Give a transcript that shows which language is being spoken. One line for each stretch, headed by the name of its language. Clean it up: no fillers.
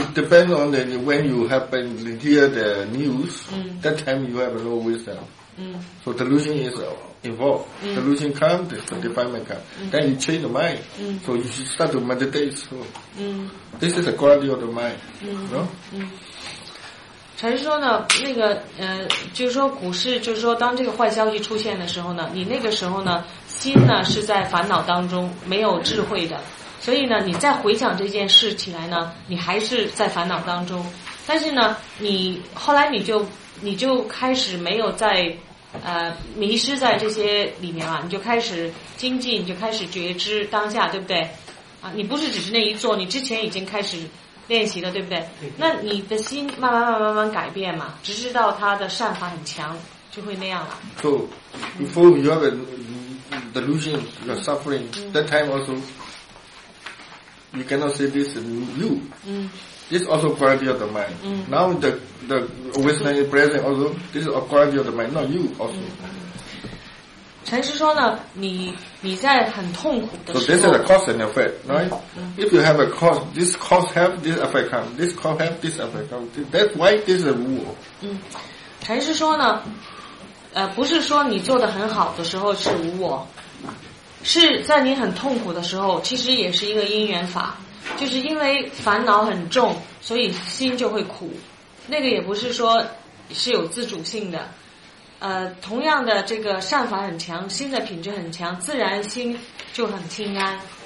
English: Depends on when you happen to hear the news, that time you have no wisdom. So delusion is involved. Delusion comes, the defilement comes. Then you change the mind. So you should start to meditate. So this is the quality of the mind. No?
Chinese: 禅师说呢，那个就是说股市，就是说当这个坏消息出现的时候呢，你那个时候呢，心呢是在烦恼当中，没有智慧的，所以呢，你再回想这件事起来呢，你还是在烦恼当中，但是呢，你后来你就开始没有再迷失在这些里面啊，你就开始精进，你就开始觉知当下，对不对？啊，你不是只是那一坐，你之前已经开始练习了，对不对？那你的心慢慢慢慢慢慢改变嘛，直至到它的善法很强，就会那样了。
English: So before you have a delusion, you are suffering. That time also, you cannot say this is you. This also quality of the mind. Now the awareness is present also, this is a quality of the mind, not you also.
Chinese: 禅师说呢，你在很痛苦的时候。
English: So this is a cause and effect, right? If you have a cause, this cause have this effect come. This cause have this effect come. That's why this is a rule.
Chinese: 禅师说呢，不是说你做得很好的时候是无我，是在你很痛苦的时候，其实也是一个因缘法，就是因为烦恼很重，所以心就会苦。那个也不是说是有自主性的。同样的，这个善法很强，心的品质很强，自然心就很清安。